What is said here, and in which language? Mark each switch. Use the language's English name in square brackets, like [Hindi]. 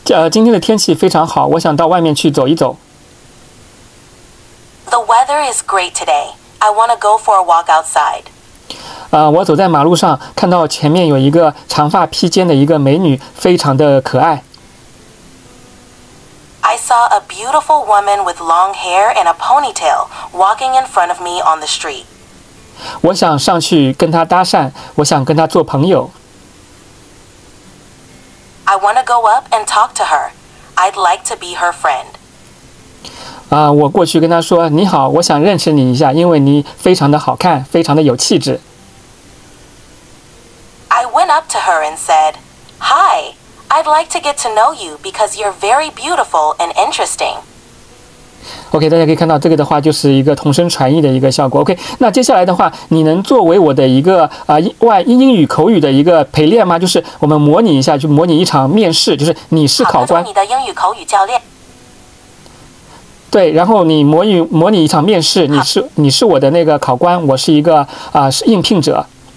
[Chinese] 今天的天气非常好，我想到外面去走一走。 [English] The weather is great today. I want to go for a walk outside. [Chinese] 我走在马路上，看到前面有一个长发披肩的一个美女，非常的可爱。 [English] I saw a beautiful woman with long hair and a ponytail walking in front of me on the street. [Chinese] 我想上去跟她搭讪，我想跟她做朋友。 [English] I want to go up and talk to her. I'd like to be her friend. [Chinese] 我过去跟她说，你好，我想认识你一下，因为你非常的好看，非常的有气质。 [English] Up to her and said, "Hi, I'd like to get to know you because you're very beautiful and interesting." [Chinese] OK, 大家可以看到这个的话就是一个同声传译的一个效果。OK, 那接下来的话，你能作为我的一个英语口语的一个陪练吗？就是我们模拟一下，就模拟一场面试，就是你是考官，你的英语口语教练。对，然后你模拟一场面试，你是我的那个考官，我是一个是应聘者。